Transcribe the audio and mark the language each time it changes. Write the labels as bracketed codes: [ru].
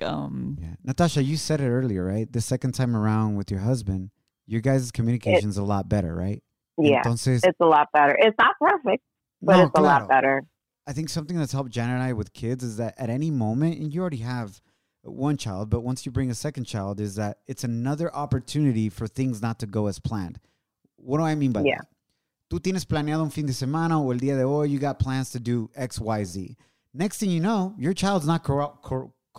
[en] Natasha, you said it earlier, right? The second time around with your husband, your guys' communication is a lot better, right? Yeah. [es] Entonces, [en] it's a lot better. It's not perfect. But it's a lot better. I think something that's helped Jen and I with kids is that at any moment, and you already have one child, but once you bring a second child, is that it's another opportunity for things not to go as planned. What do I mean by that? [es] Tú tienes planeado un fin de semana o el día de hoy, [en] you got plans to do X, Y, Z. Next thing you know, your child's not cooperating.